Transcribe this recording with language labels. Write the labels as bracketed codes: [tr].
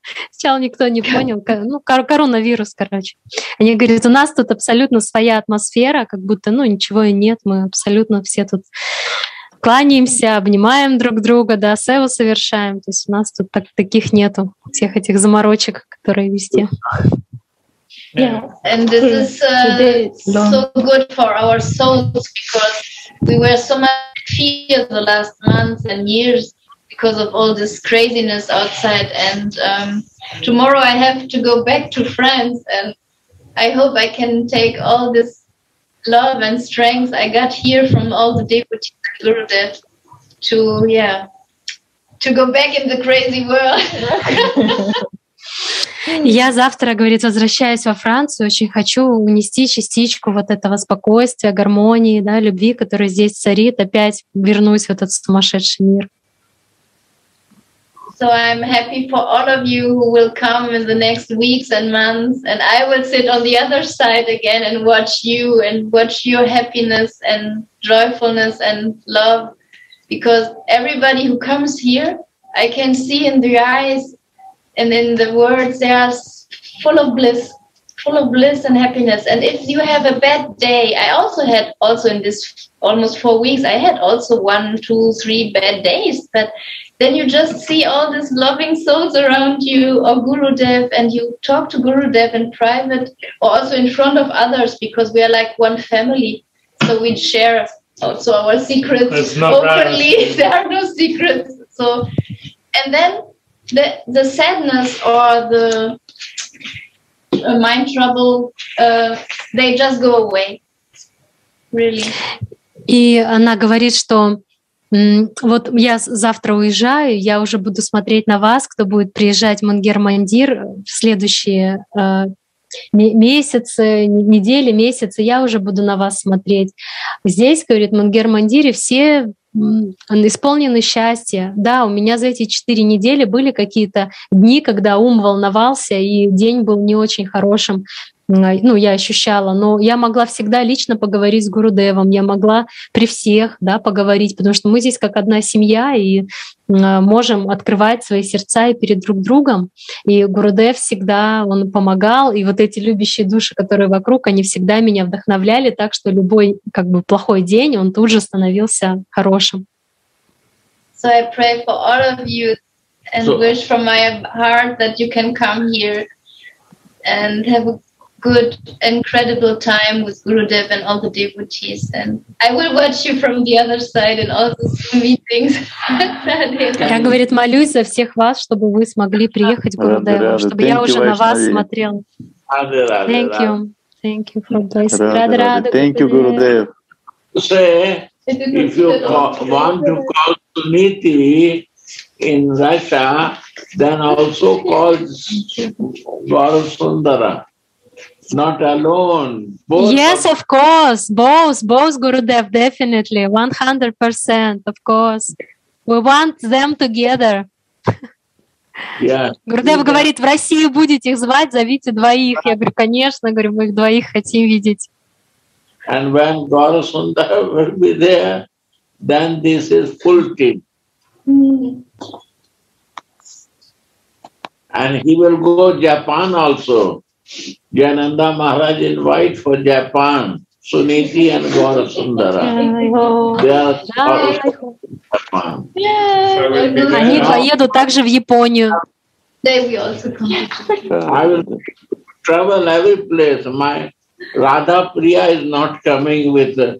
[ru] Сначала никто не понял. Ну, коронавирус, короче. Они говорят, у нас тут абсолютно своя атмосфера, как будто, ну, ничего и нет. Мы абсолютно все тут кланяемся, обнимаем друг друга, да, севу совершаем. То есть у нас тут таких нету, всех этих заморочек, которые везде. [en] Yeah, and this is so good for our souls, because we were so much fear the last months and years because of all this craziness outside. And tomorrow I have to go back to France, and I hope I can take all this love and strength I got here from all the devotees and Gurudev to go back in the crazy world. [ru] Я завтра, говорит, возвращаюсь во Францию, очень хочу унести частичку вот этого спокойствия, гармонии, да, любви, которая здесь царит, опять вернусь в этот сумасшедший мир. [en] So I'm happy for all of you who will come in the next weeks and months, and I will sit on the other side again and watch you and watch your happiness and joyfulness and love, because everybody who comes here, I can see in the eyes and in the words, they are full of bliss and happiness. And if you have a bad day, I also had also in this almost 4 weeks, I had also 1, 2, 3 bad days. But then you just see all these loving souls around you, or Gurudev, and you talk to Gurudev in private, or also in front of others, because we are like one family. So we share also our secrets openly. Right. There are no secrets. So, and then the sadness or the mind trouble, they just go away, really. [ru] И она говорит, что вот я завтра уезжаю, я уже буду смотреть на вас, кто будет приезжать в Мангер-Мандир в следующие месяцы, недели, месяцы, я уже буду на вас смотреть. Здесь, говорит, в Мангер-Мандире все исполнены счастья. Да, у меня за эти 4 недели были какие-то дни, когда ум волновался, и день был не очень хорошим, ну, я ощущала. Но я могла всегда лично поговорить с Гурудевом, я могла при всех, да, поговорить, потому что мы здесь как одна семья, и можем открывать свои сердца и перед друг другом. И Гурудев всегда, он помогал, и вот эти любящие души, которые вокруг, они всегда меня вдохновляли, так что любой как бы плохой день, он тут же становился хорошим. [en] So I pray for all of you and wish from my heart that you can come here and have a good, incredible time with Gurudev and all the devotees. And I will watch you from the other side in all the meetings. [ru] Я, говорит, молюсь за всех вас, чтобы вы смогли приехать, Гурудев, чтобы я уже на вас смотрел. [en] Thank you. Thank you for this. Thank you, Gurudev. Say, if you want to call Suniti in Russia, then also call Varasundara. Not alone. Both. Yes, of course. Both Gurudev, definitely. 100%, of course. We want them together. Yeah. [ru] Гурудев говорит, в Россию будете их звать, зовите двоих. Я говорю, конечно, говорю, мы их двоих хотим видеть. [en] And when Gaurasundara will be there, then this is full team. And he will go to Japan also. Jananda Maharaj invite for Japan, Suniti and Gaurasundara. Yeah, they are in Japan. Yeah. [ru] Они поедут также в Японию. [en] They will also come. I will travel every place. My Radha Priya is not coming with